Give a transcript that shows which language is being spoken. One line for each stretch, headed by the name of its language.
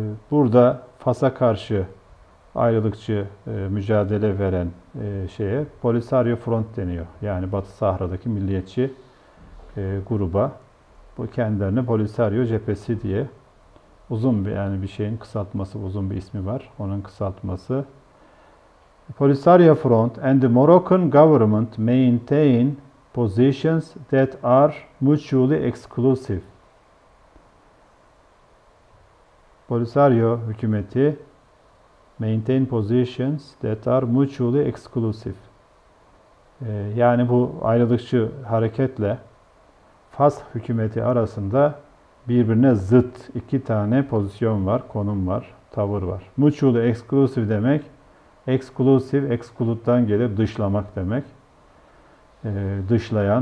Turkish: Burada Fas'a karşı ayrılıkçı mücadele veren şeye Polisario Front deniyor. Yani Batı Sahra'daki milliyetçi gruba. Bu kendilerine Polisario Cephesi diye uzun bir, yani bir şeyin kısaltması, uzun bir ismi var. Onun kısaltması.
English: Polisario Front and the Moroccan government maintain positions that are mutually exclusive. Polisario hükümeti maintain positions that are mutually exclusive.
Turkish: Yani bu ayrılıkçı hareketle Fas hükümeti arasında birbirine zıt iki tane pozisyon var, konum var. tavır var. Mutually exclusive demek, exclusive, exclude'dan gelir, dışlamak demek. Dışlayan.